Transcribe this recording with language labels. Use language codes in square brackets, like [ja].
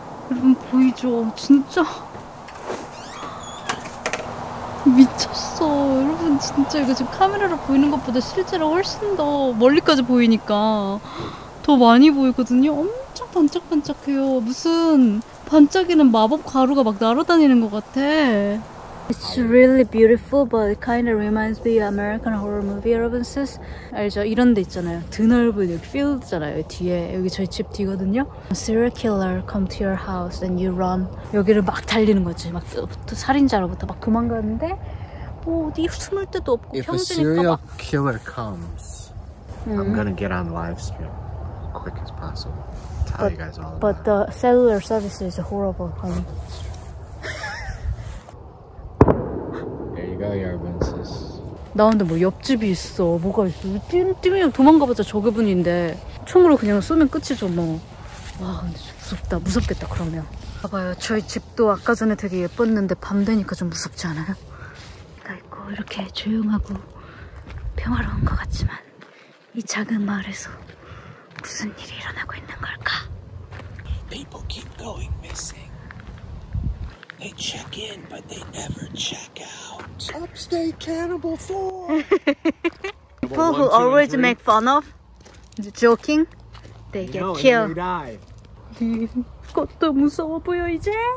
[ko] 여러분 보이죠? 진짜 미쳤어. 여러분 진짜 이거 지금 카메라로 보이는 것보다 실제로 훨씬 더 멀리까지 보이니까 더 많이 보이거든요? 엄청 반짝반짝해요. 무슨 반짝이는 마법 가루가 막 날아다니는 것 같아. [en] It's really beautiful, but it kind of reminds me of American horror movie, [ko] 여러분, [en] sis. [ko] 알죠? 이런 데 있잖아요. 드넓은 여기 필드잖아요, 뒤에. 여기 저희 집 뒤거든요. [en] Serial killer come to your house and you run. [ko] 여기를 막 달리는 거지. 막 살인자로부터 막 도망가는데 뭐 어디 숨을 데도 없고 평지니까 막. [en] If a serial killer comes, I'm gonna get on live stream as quick as possible. But the cellular service is horrible, honey. There you go, Yarbensis. [ko] 나 근데 뭐 옆집이 있어. 뭐가 있어. 띵띵이 도망가보자 저게 분인데. 총으로 그냥 쏘면 끝이죠, 뭐. 와, 근데 좀 무섭다. 무섭겠다, 그러면. 봐봐요. 저희 집도 아까 전에 되게 예뻤는데 밤 되니까 좀 무섭지 않아요? 나 있고 이렇게 조용하고 평화로운 것 같지만 이 작은 마을에서 무슨 일이 일어나고 있는 걸까? [en] People keep going missing. They check in, but they never check out. Upstate Cannibal 4! People who always make fun of, joking, they get killed. You die. [ko] 꽃도 무서워 보여 이제.